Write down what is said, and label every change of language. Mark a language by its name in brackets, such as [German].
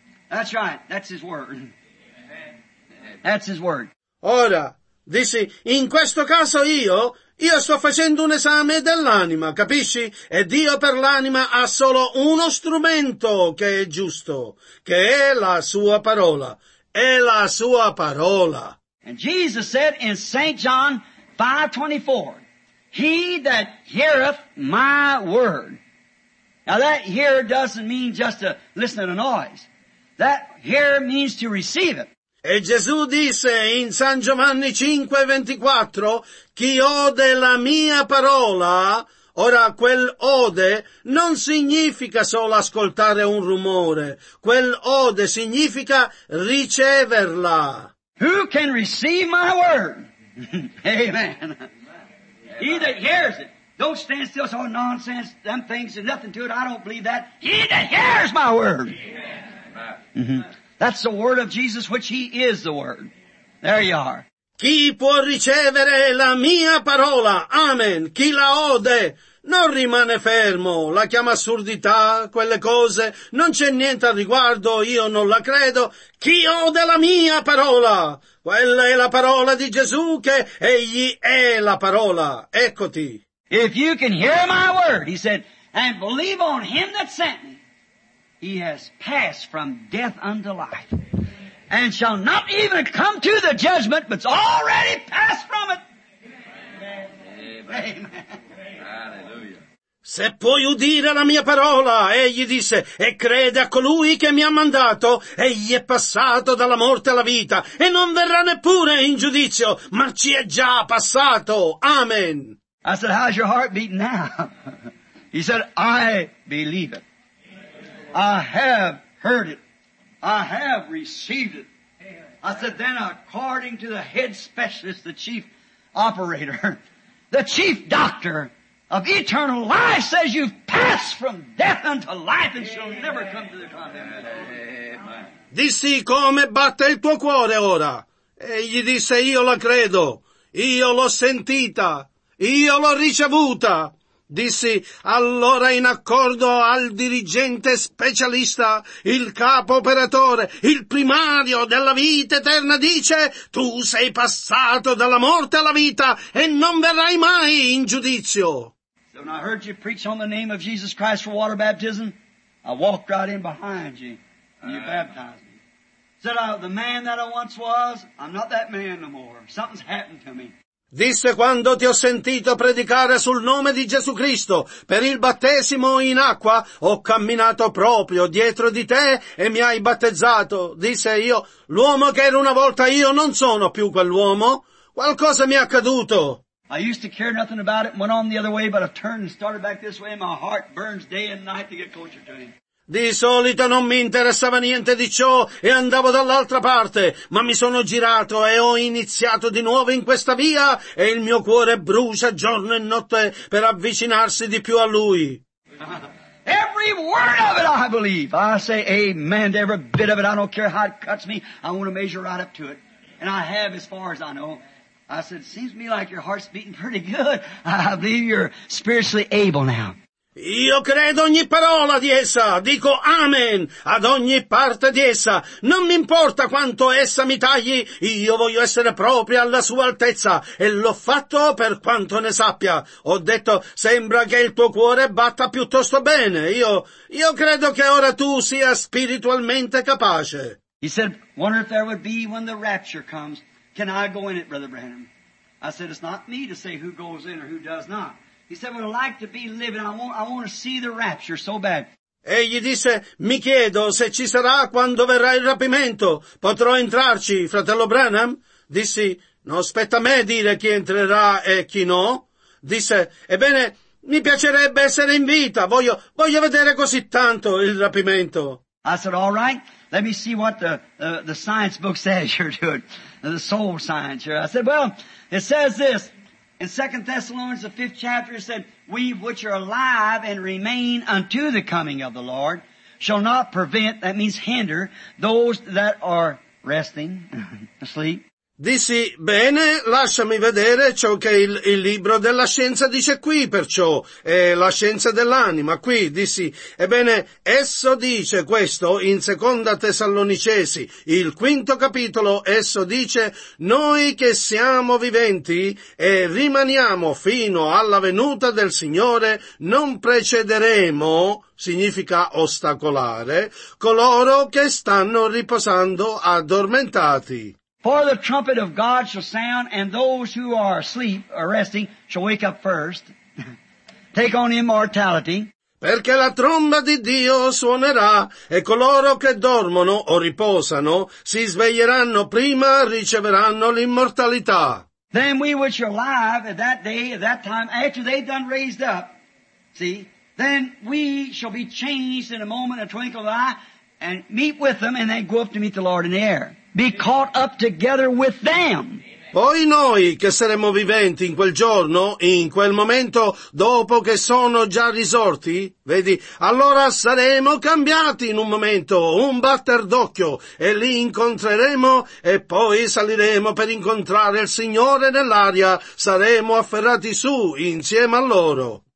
[English] That's right. That's His Word. That's His Word. [Italian] Ora, dissi, in questo caso io sto facendo un esame dell'anima, capisci? E Dio per l'anima ha solo uno strumento che è giusto, che è la Sua parola. È la Sua parola. [English] And Jesus said in St. John 5:24, He that heareth my word. Now that here doesn't mean just to listen to the noise. That here means to receive it. [Italian] E Gesù disse in San Giovanni 5:24, chi ode la mia parola, ora quel ode non significa solo ascoltare un rumore, quel ode significa riceverla. [English] Who can receive my word? Amen. He that hears it. Don't stand still, it's all nonsense, them things, there's nothing to it, I don't believe that. He that hears my word. Mm-hmm. That's the word of Jesus, which He is the word. There you are. [Italian] Chi può ricevere la mia parola? Amen. Chi la ode? Non rimane fermo, la chiama assurdità, quelle cose, non c'è niente al riguardo, io non la credo. Chi ode la mia parola? Quella è la parola di Gesù, che Egli è la parola. Eccoti. [English] If you can hear my word, he said, and believe on him that sent me, he has passed from death unto life, and shall not even come to the judgment, but's already passed from it. Amen. Amen. [Italian] Se puoi udire la mia parola, egli disse, e crede a colui che mi ha mandato, egli è passato dalla morte alla vita, e non verrà neppure in giudizio, ma ci è già passato. Amen. [English] I said, how's your heart beating now? He said, I believe it. I have heard it. I have received it. I said, then according to the head specialist, the chief operator, the chief doctor, of eternal life says you've passed from death unto life and shall never come to the condemnation. [Italian] Dissi, come batte il tuo cuore ora? E gli disse, io la credo, io l'ho sentita, io l'ho ricevuta. Dissi, allora in accordo al dirigente specialista, il capo operatore, il primario della vita eterna dice, tu sei passato dalla morte alla vita e non verrai mai in giudizio. [English] When I heard you preach on the name of Jesus Christ for water baptism, I walked right in behind you and you baptized me. Said, the man that I once was, I'm not that man no more. Something's happened to me. [Italian] Disse, quando ti ho sentito predicare sul nome di Gesù Cristo per il battesimo in acqua, ho camminato proprio dietro di te e mi hai battezzato. Disse, io, l'uomo che era una volta io non sono più quell'uomo. Qualcosa mi è accaduto. [English] I used to care nothing about it and went on the other way, but I turned and started back this way and my heart burns day and night to get closer to Him. [Italian] Di solito non mi interessava niente di ciò e andavo dall'altra parte, ma mi sono girato e ho iniziato di nuovo in questa via e il mio cuore brucia giorno e notte per avvicinarsi di più a Lui. [English] Every word of it I believe. I say amen to every bit of it. I don't care how it cuts me. I want to measure right up to it. And I have as far as I know. I said, it seems to me like your heart's beating pretty good. I believe you're spiritually able now. [Italian] Io credo ogni parola di essa. Dico amen ad ogni parte di essa. Non mi importa quanto essa mi tagli. Io voglio essere proprio alla sua altezza. E l'ho fatto per quanto ne sappia. Ho detto, sembra che il tuo cuore batta piuttosto bene. Io credo che ora tu sia spiritualmente capace. [English] He said, wonder if there would be when the rapture comes. Can I go in it, Brother Branham? I said, it's not me to say who goes in or who does not. He said, well, I'd like to be living. I want to see the rapture so bad. [Italian] Egli disse, mi chiedo se ci sarà quando verrà il rapimento. Potrò entrarci, fratello Branham? Dissi, non spetta a me dire chi entrerà e chi no. Disse, ebbene, mi piacerebbe essere in vita. Voglio vedere così tanto il rapimento. [English] I said, all right, let me see what the science book says you're doing. The soul science here. I said, well, it says this. In 2 Thessalonians, the 5th chapter, it said, we which are alive and remain unto the coming of the Lord shall not prevent, that means hinder, those that are resting, asleep. [Italian] Dissi, bene, lasciami vedere ciò che il libro della scienza dice qui, perciò, la scienza dell'anima, qui, dissi, ebbene, esso dice questo in Seconda Tessalonicesi, il quinto capitolo, esso dice, noi che siamo viventi e rimaniamo fino alla venuta del Signore, non precederemo, significa ostacolare, coloro che stanno riposando addormentati. [English] For the trumpet of God shall sound, and those who are asleep, or resting, shall wake up first, take on immortality. [Italian] Perché la tromba di Dio suonerà, e coloro che dormono o riposano, si sveglieranno prima, riceveranno l'immortalità. [English] Then we which are alive at that day, at that time, after they've done raised up, see, then we shall be changed in a moment, a twinkle of an eye, and meet with them, and then go up to meet the Lord in the air. Be caught up together with them. [Italian] Poi noi che saremo viventi in quel giorno, in quel momento, dopo che sono già risorti, vedi, allora saremo cambiati in un momento, un batter d'occhio, e li incontreremo e poi saliremo per incontrare il Signore nell'aria, saremo afferrati su insieme a loro.